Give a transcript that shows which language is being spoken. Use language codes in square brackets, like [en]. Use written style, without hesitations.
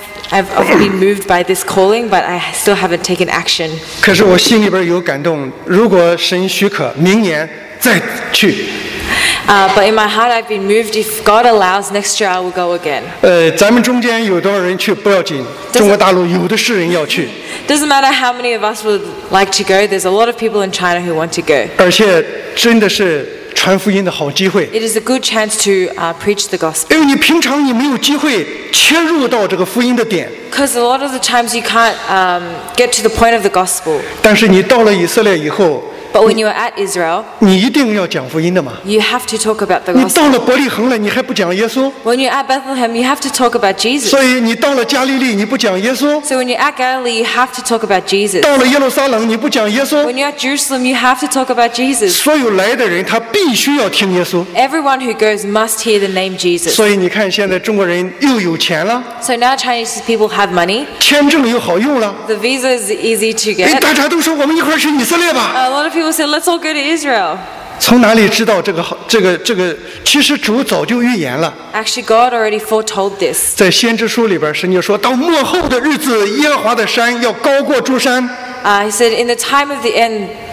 [en] I've been moved by this calling, but I still haven't taken action. [zh] 可是我心里边有感动，如果神许可，明年再去。 [en] But in my heart, I've been moved. If God allows, next year I will go again. [zh] 咱们中间有多少人去不要紧，中国大陆有的是人要去。 [en] Doesn't matter how many of us would like to go. There's a lot of people in China who want to go. [zh] 而且真的是。传福音的好机会。 [en] It is a good chance to preach the gospel. [zh] 因为你平常你没有机会切入到这个福音的点。 [en] Because a lot of the times you can't get to the point of the gospel. [zh] 但是你到了以色列以后。 [en] But when you are at Israel, [zh] 你一定要讲福音的嘛。 [en] You have to talk about the gospel. [zh] 你到了伯利恒了，你还不讲耶稣？ [en] When you're at Bethlehem, you have to talk about Jesus. [zh] 所以你到了加利利，你不讲耶稣？ [en] So when you're at Galilee, you have to talk about Jesus. [zh] 到了耶路撒冷，你不讲耶稣？ [en] When you're at Jerusalem, you have to talk about Jesus. [zh] 所有来的人，他必须要听耶稣。 [en] Everyone who goes must hear the name Jesus. [zh] 所以你看，现在中国人又有钱了。 [en] So now Chinese people have money. [zh] 签证又好用了。 [en] The visa is easy to get. [zh] 大家都说我们一块去以色列吧。 [en] A lot of people said, let's all go to Israel. [zh] 从哪里知道这个其实主早就预言了。 [en] Actually, God already foretold this. [zh] 在先知书里边，神就说到末后的日子，耶和华的山要高过诸山。 [en] He said, in the time of the end,